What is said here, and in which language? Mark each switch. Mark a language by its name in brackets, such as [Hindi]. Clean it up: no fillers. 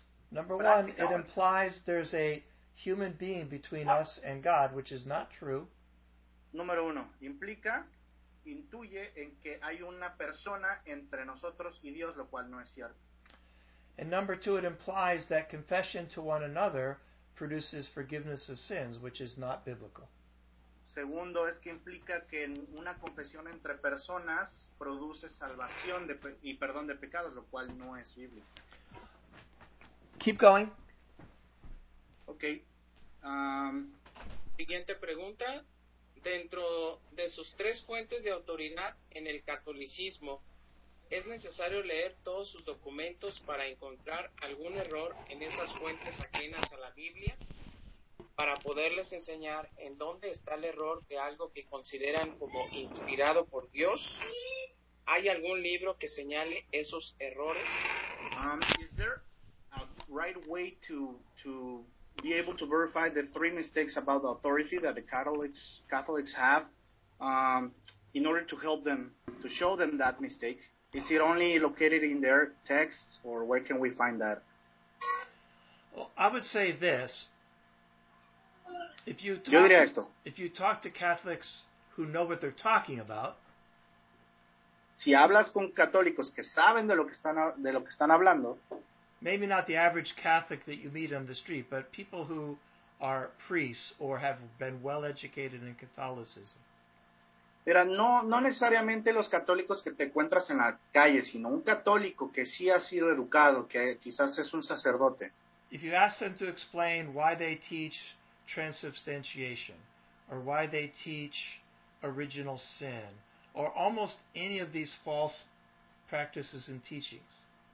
[English] Number one, it [Spanish] falsa. [English] Implies there's a human being between us and God, which is not true. [Spanish] Número uno, implica, intuye en que hay una persona entre nosotros y Dios, lo cual no es cierto. [English] And number two, it implies that confession to one another produces forgiveness of sins, which is not biblical. [Spanish] Segundo, es que implica que una confesión entre personas produce salvación y perdón de pecados, lo cual no es bíblico. [English] Keep going. Okay. [Spanish] Siguiente pregunta. Dentro de sus tres fuentes de autoridad en el catolicismo, ¿es necesario leer todos sus documentos para encontrar algún error en esas fuentes ajenas a la Biblia? Para poderles enseñar en dónde está el error de algo que consideran como inspirado por Dios, ¿hay algún libro que señale esos errores? [English] Is there a right way to be able to verify the three mistakes about the authority that the Catholics have in order to help them, to show them that mistake? Is it only located in their texts, or where can we find that? Well, I would say this. If you talk to Catholics who know what they're talking about, [Spanish] si hablas con católicos que saben de lo que están hablando, [English] maybe not the average Catholic that you meet on the street, but people who are priests or have been well educated in Catholicism. [Spanish] Pero no necesariamente los católicos que te encuentras en la calle, sino un católico que sí ha sido educado, que quizás es un sacerdote. [English] If you ask them to explain why they teach transubstantiation, or why they teach original sin, or almost any of these false practices and teachings.